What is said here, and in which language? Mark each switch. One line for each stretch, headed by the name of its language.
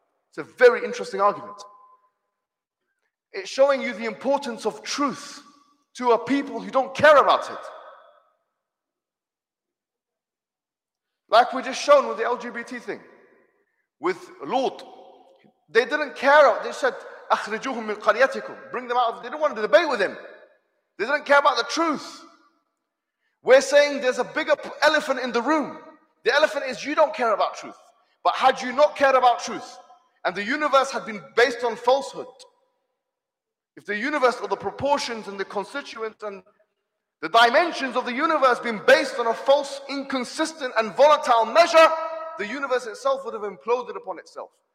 English: It's a very interesting argument. It's showing you the importance of truth to a people who don't care about it. Like we just shown with the LGBT thing, with Lot. They didn't care. They said,
Arabic: أخرجوهم من قريتكم.
English: Bring them out. They didn't want to debate with him. They didn't care about the truth. We're saying there's a bigger elephant in the room. The elephant is you don't care about truth. But had you not cared about truth, and the universe had been based on falsehood, if the universe or the proportions and the constituents and the dimensions of the universe been based on a false, inconsistent and volatile measure, the universe itself would have imploded upon itself.